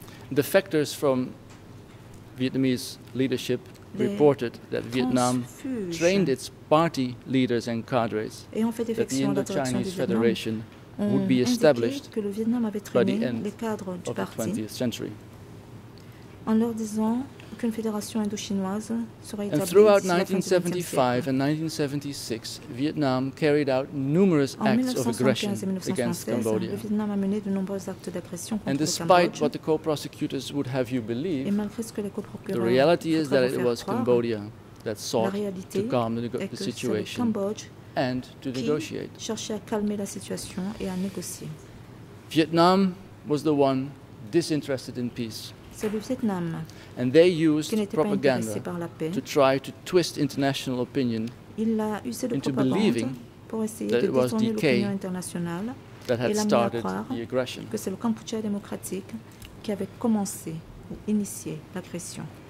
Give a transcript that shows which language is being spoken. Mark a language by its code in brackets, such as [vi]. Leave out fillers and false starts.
[en] Defectors from Vietnamese leadership reported that Vietnam trained its party leaders and cadres that the Indo-Chinese Federation would be established by the end of the 20th century. [fr] En leur disant qu'une fédération indo-chinoise serait établie. [en] Throughout 1975 and 1976, Vietnam carried out numerous acts of aggression against Cambodia. [fr] Le Vietnam a mené de nombreux actes d'aggression contre [en] And despite what the co-prosecutors would have you believe, the reality is that it was Cambodia that sought to calm the situation and to negotiate. [fr] Cherchait à calmer la situation et à négocier. [en] Vietnam was the one disinterested in peace. [fr] C'est le Vietnam [en] and they used propaganda to try to twist international opinion into believing that it was DK that had started the aggression. [fr] Que c'est le Cambodge démocratique qui avait commencé ou initié l'aggression.